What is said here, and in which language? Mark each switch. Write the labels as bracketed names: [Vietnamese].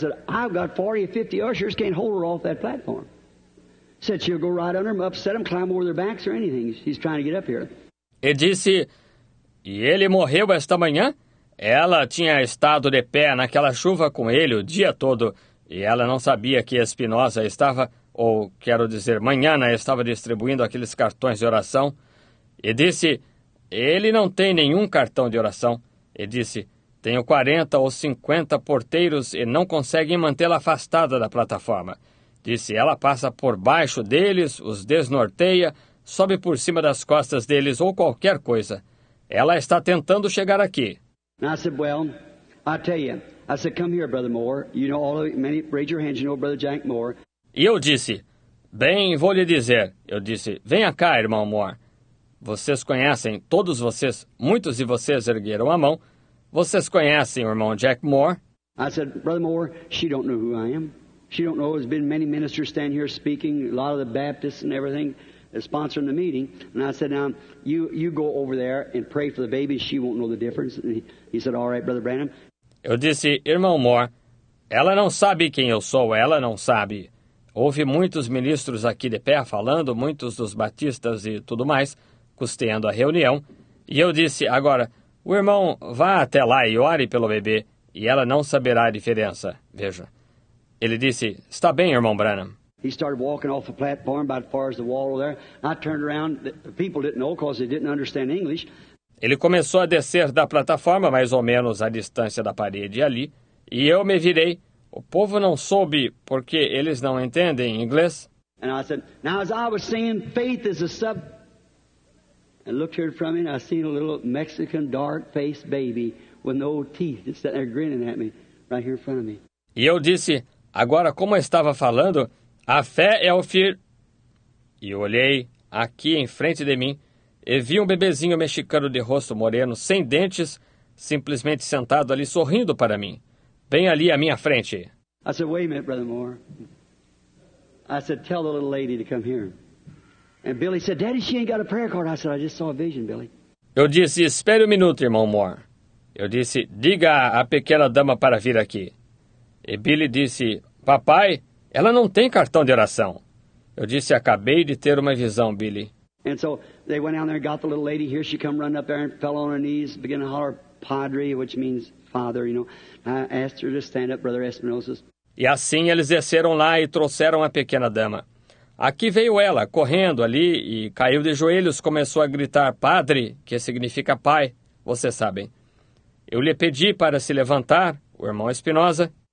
[English] Said, I've got 40 or 50 ushers, can't hold her off that platform. Said she'll go right under them, upset them, climb over their backs or anything. She's trying to get up here. [Portuguese] E disse, e ele morreu esta manhã? Ela tinha estado de pé naquela chuva com ele o dia todo, e ela não sabia que Espinosa estava... Ou, quero dizer, Manana estava distribuindo aqueles cartões de oração. E disse, ele não tem nenhum cartão de oração. E disse, tenho 40 ou 50 porteiros e não conseguem mantê-la afastada da plataforma. Disse, ela passa por baixo deles, os desnorteia, sobe por cima das costas deles ou qualquer coisa. Ela está tentando chegar aqui. Eu disse, [English] well, I tell you. I said, come here, Brother Moore. You know all of it. Many, raise your hands, you know, Brother Jack Moore. [Portuguese] E eu disse, bem, vou lhe dizer. Eu disse, venha cá, irmão Moore. Vocês conhecem, todos vocês, muitos de vocês ergueram a mão. Vocês conhecem o irmão Jack Moore? [English] I said, Brother Moore, she don't know who I am. She don't know, there's been many ministers standing here speaking, a lot of the Baptists and everything, sponsoring the meeting. And I said, now, you go over there and pray for the baby, she won't know the difference. And he said, all right, Brother Branham. [Portuguese] Eu disse, irmão Moore, ela não sabe quem eu sou, ela não sabe... Houve muitos ministros aqui de pé falando, muitos dos batistas e tudo mais, custeando a reunião. E eu disse, agora, o irmão vá até lá e ore pelo bebê, e ela não saberá a diferença. Veja. Ele disse, está bem, irmão Branham. [English] He started walking off the platform about as far as the wall there. I turned around, the people didn't know because they didn't understand English. [Portuguese] Ele começou a descer da plataforma, mais ou menos à distância da parede ali, e eu me virei. O povo não soube porque eles não entendem inglês. [English] And I said, now as I was saying, faith is a sub. And looked here from me, and I seen a little Mexican dark-faced baby with no teeth sitting there grinning at me, right here in front of me. [Portuguese] E eu disse, agora como eu estava falando, a fé é o fir. E olhei aqui em frente de mim e vi um bebezinho mexicano de rosto moreno, sem dentes, simplesmente sentado ali sorrindo para mim. Bem ali à minha frente. [English] I said, wait a minute, Brother Moore. I said, tell the little lady to come here. And Billy said, Daddy, she ain't got a prayer card. I said, I just saw a vision, Billy. [Portuguese] Eu disse, espere um minuto, irmão Moore. Eu disse, diga à pequena dama para vir aqui. E Billy disse, papai, ela não tem cartão de oração. Eu disse, acabei de ter uma visão, Billy. [English] And so they went down there and got the little lady. Here she come running up there and fell on her knees, began to holler, Padre, which means... Father, you know, I asked her to stand up, Brother Espinosa. [Portuguese] E assim eles desceram lá e trouxeram a pequena dama. Aqui veio ela, correndo ali, e caiu de joelhos, começou a gritar, Padre, que significa pai, vocês sabem. Eu lhe pedi para se levantar, o irmão Espinosa.